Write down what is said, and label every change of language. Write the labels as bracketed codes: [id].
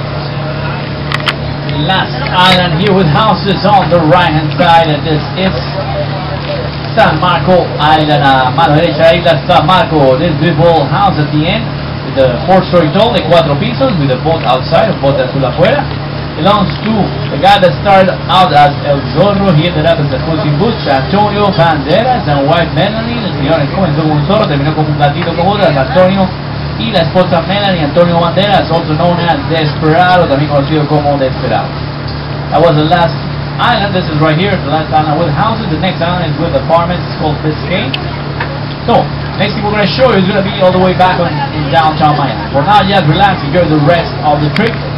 [en] Island here with houses on the right hand side, and this is San Marco Island. [es] Mano derecha, Isla San Marco. [en] This beautiful house at the end, with the 4-story tall, the 4 pisos, with a boat outside, a boat [es] azul afuera. [en] Belongs to the guy that started out as El Zorro. He ended up as a Cousin Butch, Antonio Banderas, and wife Melanie. [es] El señor comenzó como un zorro, terminó como un gatito como otro, Antonio. Y la esposa Melanie, Antonio Banderas, [en] also known as Desperado, [es] también conocido como Desperado. [en] That was the last island. This is right here, the last island with houses. The next island is with apartments, it's called Biscayne. So, next thing we're going to show you is going to be all the way back on, in downtown Miami. For now, just relax, enjoy the rest of the trip.